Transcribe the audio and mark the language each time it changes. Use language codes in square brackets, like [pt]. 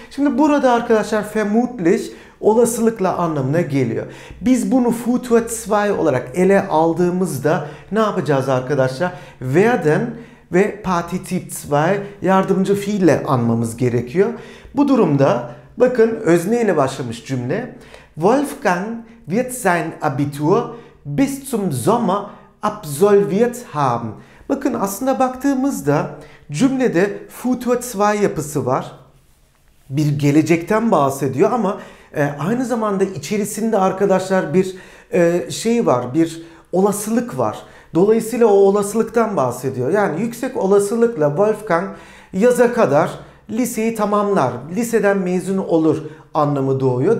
[tr] Şimdi burada arkadaşlar vermutlich olasılıkla anlamına geliyor. Biz bunu Futur 2 olarak ele aldığımızda ne yapacağız arkadaşlar? Werden ve Partizip 2 yardımcı fiille anmamız gerekiyor. Bu durumda bakın özne ile başlamış cümle. [de] Wolfgang wird sein Abitur bis zum Sommer absolviert haben. [tr] Bakın aslında baktığımızda cümlede Futur 2 yapısı var. bir gelecekten bahsediyor ama aynı zamanda içerisinde arkadaşlar bir şey var, bir olasılık var. Dolayısıyla o olasılıktan bahsediyor. Yani yüksek olasılıkla Wolfgang yaza kadar liseyi tamamlar, liseden mezun olur anlamı doğuyor.